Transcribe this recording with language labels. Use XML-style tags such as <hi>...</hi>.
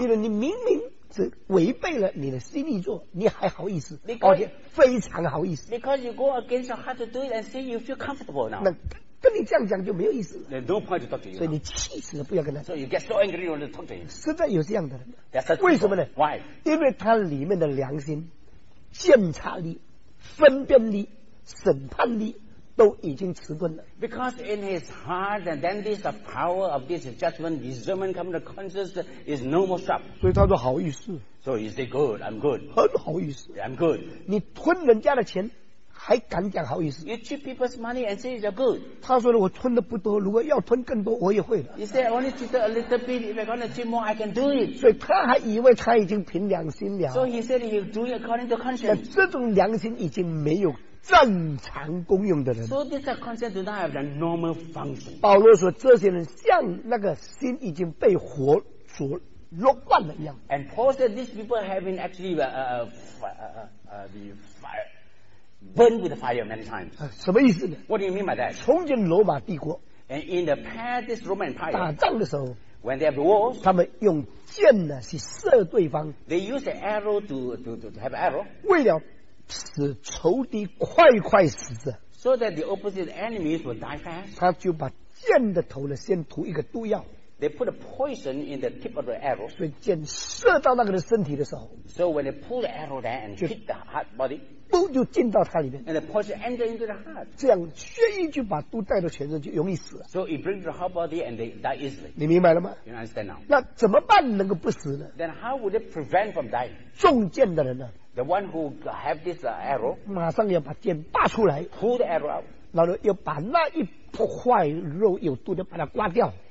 <zh>因为你明明是违背了你的心意做，你还好意思？</zh> <en>Because,</en> <zh>而且非常好意思。</zh> <en>Because you go against your heart to do it and say you feel comfortable now.</en> <zh>那跟你这样讲就没有意思。</zh> <en>There's no point to talk to you.</en> <zh>所以你气死了，不要跟他讲。</zh> <en>So you get so angry when you talk to him.</en> <zh>实在有这样的人。</zh> <en>That's such.</en> <zh>为什么呢？</zh> <en>Why?</en> <zh>因为他里面的良心、鉴察力、分辨力、审判力都已经迟钝了。</zh> <en>Because in his heart, and then this the power of this judgment, discernment come to conscience is no more sharp.</en> <zh>所以他说好意思。</zh> <en>So he say good, I'm good.</en> <zh>很好意思。</zh> <en>I'm good.</en> <zh>你吞人家的钱。还敢讲好意思？</zh> <en>You cheat people's money and say you're good.</en> <zh>他说了，我吞的不多，如果要吞更多，我也会了。</zh> <en>He said, only cheat a little bit. If I'm gonna cheat more, I can do it.</en> <zh>所以他还以为他已经凭良心了。</zh> <en>So he said you do it according to conscience.</en> <zh>这种良心已经没有正常功用的人。</zh> <en>So this conscience does not have the normal function.</en> <zh>保罗说，这些人像那个心已经被火灼烙惯了一样。</zh> <en>And Paul said these people have been actually the fire. Burned with fire many times.</en> <zh>什么意思呢？</zh> <en>What do you mean by that?</en> <zh>从前罗马帝国，</zh> <en>And in the past, this Roman Empire,</en> <zh>打仗的时候，</zh> <en>When they have wars,</en> <zh>他们用箭呢去射对方。</zh> <en>They use an arrow to have arrow.</en> <zh>为了使仇敌快快死着。</zh> <en>So that the opposite enemies will die fast.</en> <zh>他就把箭的头呢先涂一个毒药。</zh> <en>They put a poison in the tip of the arrow.</en> <zh>所以箭射到那个人身体的时候。</zh> <en>So when they pull the arrow there and hit the heart body.</en> <zh>毒就进到他里面</zh> <en>and the poison enter into the heart.</en> <zh>这样血液就把毒带到全身就容易死了</zh> <en>so it brings the heart body and they die easily.</en> <zh>你明白了吗</zh> <en>you understand now?</en> <zh>那怎么办能够不死呢</zh> <en>then how would it prevent from dying?</en> <zh>中箭的人呢</zh> <en>the one who have this arrow</en> <zh>马上要把箭拔出来</zh> <en>pull the arrow out</en> <zh>然后要把那一块肉有毒的把它刮掉</zh>